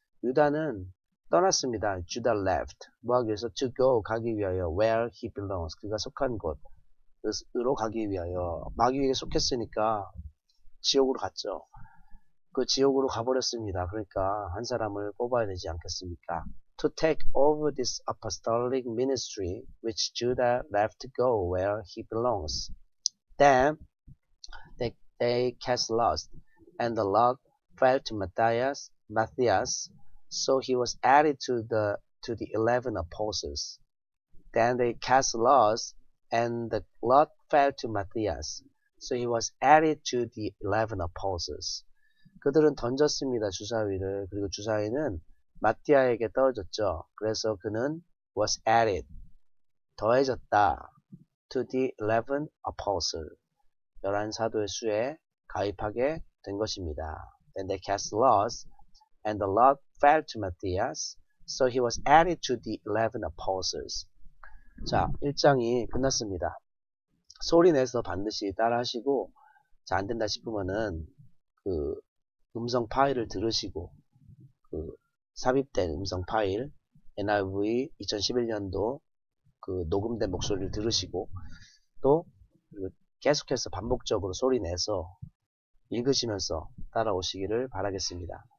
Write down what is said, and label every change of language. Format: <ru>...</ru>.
<ko>유다는 떠났습니다. Judah left. 뭐하기 위해서 to go 가기 위하여 where he belongs 그가 속한 곳으로 가기 위하여 마귀에게 속했으니까 지옥으로 갔죠. 그 지옥으로 가버렸습니다. 그러니까 한 사람을 뽑아야 되지 않겠습니까?</ko> <en>To take over this apostolic ministry which Judah left to go where he belongs. Then they cast lots, and the lot fell to Matthias, so he was added to the 11 apostles. Then they cast lots, and the lot fell to Matthias, so he was added to the 11 apostles.</en> <ko>그들은 던졌습니다, 주사위를. 그리고 주사위는 마티아에게 떨어졌죠. 그래서 그는 was added, 더해졌다, to the 11 apostles. 11 사도의 수에 가입하게 된 것입니다.</ko> <en>Then they cast lots, and the lot fell to Matthias, so he was added to the 11 apostles.</en> <ko>자, 1장이 끝났습니다. 소리 내서 반드시 따라하시고, 자, 안 된다 싶으면은, 음성 파일을 들으시고, 삽입된 음성 파일, NIV 2011년도 녹음된 목소리를 들으시고, 또, 계속해서 반복적으로 소리 내서 읽으시면서 따라오시기를 바라겠습니다.</ko>